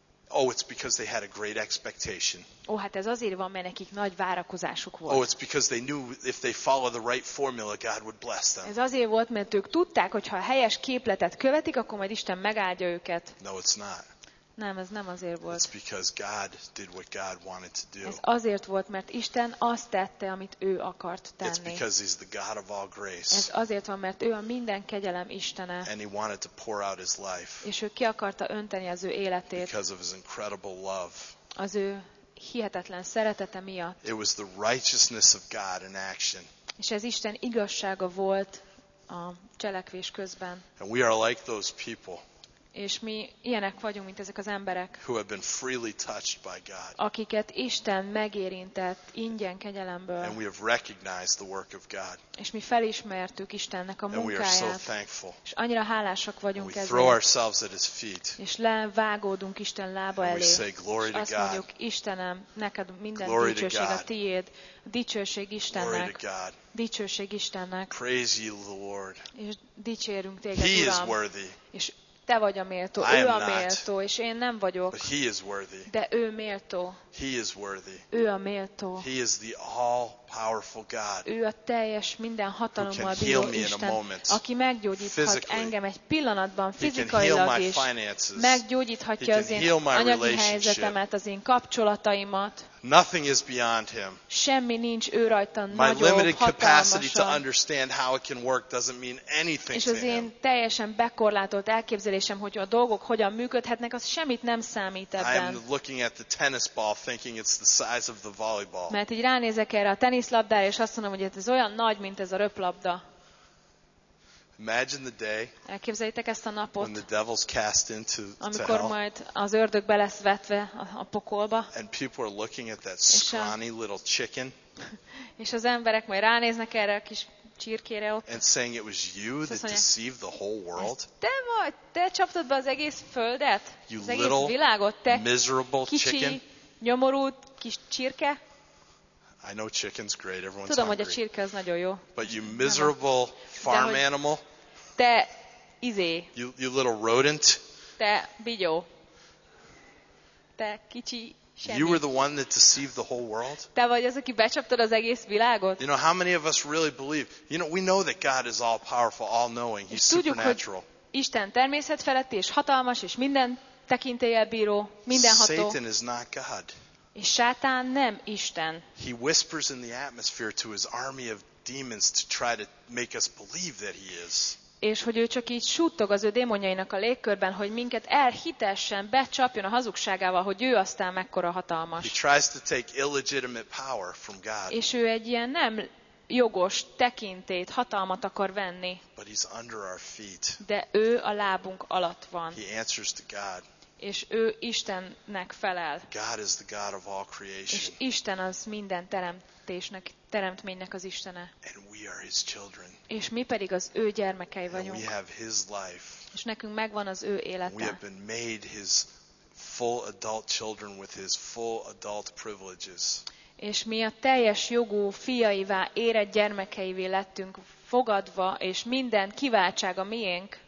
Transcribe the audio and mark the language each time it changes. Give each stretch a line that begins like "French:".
English: Oh, it's because they had a great expectation.
Hungarian: Oh, hát ez azért van, mert nekik nagy várakozásuk volt.
English: Oh, it's because they knew if they follow the right formula, God would bless them.
Hungarian: Ez azért volt, mert ők tudták, hogy ha a helyes képletet követik, akkor majd Isten megáldja őket.
English: No, it's not.
Hungarian: Nem, ez nem azért volt.
English: It's because God did what God wanted to do.
Hungarian: Ez azért volt, mert Isten azt tette, amit ő akart tenni.
English: It's because he's the God of all grace.
Hungarian: Ez azért van, mert ő a minden kegyelem Istene.
English: And he wanted to pour out his life.
Hungarian: És ő ki akarta önteni az ő életét.
English: Because of his incredible love.
Hungarian: Az ő hihetetlen szeretete miatt.
English: It was the righteousness of God in action.
Hungarian: És ez Isten igazsága volt a cselekvés közben.
English: And we are like those people.
Hungarian: És mi ilyenek vagyunk, mint ezek az emberek,
English: who have been freely touched by God.
Hungarian: Akiket Isten megérintett ingyen kegyelemből.
English: And we have recognized the work of God.
Hungarian: És mi felismertük Istennek a munkáját.
English: And we are so thankful.
Hungarian: És annyira hálásak vagyunk ezért.
English: We throw ourselves at his feet.
Hungarian: És levágódunk Isten lába
English: and
Hungarian: elé.
English: We say, glory
Hungarian: és azt mondjuk, Istenem, neked minden dicsőség a tiéd. Dicsőség Istennek.
English: Glory to God.
Hungarian: Dicsőség Istennek.
English: Praise ye the Lord.
Hungarian: És dicsérünk téged,
English: he
Hungarian: Uram.
English: Is worthy.
Hungarian: És Te vagy a méltó, ő a méltó, és én nem vagyok.
English: But he is worthy.
Hungarian: De ő méltó.
English: He is worthy.
Hungarian: Ő a méltó.
English: He is the all-powerful God.
Hungarian: Ő a teljes minden hatalommal bíró Isten, aki meggyógyíthat engem egy pillanatban, fizikailag is. Meggyógyíthatja az én anyagi helyzetemet, az én kapcsolataimat.
English: Nothing is beyond him.
Hungarian: Semmi nincs ő rajta nagyobb, hatalmasabb.
English: My limited capacity to understand how it can work doesn't mean anything to him.
Hungarian: És az én teljesen bekorlátolt elképzelésem, hogy a dolgok hogyan működhetnek, az semmit nem számít ebben.
English: I'm looking at the tennis ball thinking it's the size of the volleyball.
Hungarian: Mert így ránézek erre a teniszlabdára, és azt mondom, hogy ez olyan nagy, mint ez a röplabda.
English: Imagine the day.
Hungarian: Elképzeljétek ezt a napot.
English: When the devil's cast into
Hungarian: amikor majd az ördög be lesz vetve a pokolba.
English: And people are looking at that scrawny little chicken.
Hungarian: És az emberek majd ránéznek erre a kis csirkére ott.
English: And saying it was you that deceived the whole world.
Hungarian: Te vagy, te csaptad be az egész földet, az egész világot, te
English: miserable
Hungarian: kicsi,
English: chicken.
Hungarian: Nyomorult kis csirke.
English: I know chicken's great. Everyone's
Hungarian: tudom, Hogy a csirke az nagyon jó.
English: But you miserable farm animal.
Hungarian: Te izé.
English: You little rodent.
Hungarian: Te bigyó. Te kicsi semmi.
English: You were the one that deceived the whole world.
Hungarian: Te vagy az, aki becsaptad az egész világot.
English: You know how many of us really believe? You know we know that God is all powerful, all knowing. He's supernatural.
Hungarian: Tudjuk, hogy Isten természet feletti és hatalmas és minden tekintéllyel bíró, mindenható.
English: Satan is not God.
Hungarian: És Sátán nem Isten.
English: He whispers in the atmosphere to his army of demons to try to make us believe that he is.
Hungarian: És hogy ő csak így suttog az ő démonjainak a légkörben, hogy minket elhitessen, becsapjon a hazugságával, hogy ő aztán mekkora hatalmas.
English: He tries to take illegitimate power from God.
Hungarian: És ő egy ilyen nem jogos tekintét, hatalmat akar venni.
English: But he's under our feet.
Hungarian: De ő a lábunk alatt van.
English: He answers to God.
Hungarian: És ő Istennek felel.
English: God is the God of all creation.
Hungarian: És Isten az minden teremtésnek, teremtménynek az Istene.
English: And we are his children.
Hungarian: És mi pedig az ő gyermekei vagyunk.
English: And we have his life.
Hungarian: És nekünk megvan az ő élete.
English: We have been made his full adult children with his full adult privileges.
Hungarian: És mi a teljes jogú fiaivá, érett gyermekeivé lettünk fogadva, és minden kiváltsága miénk.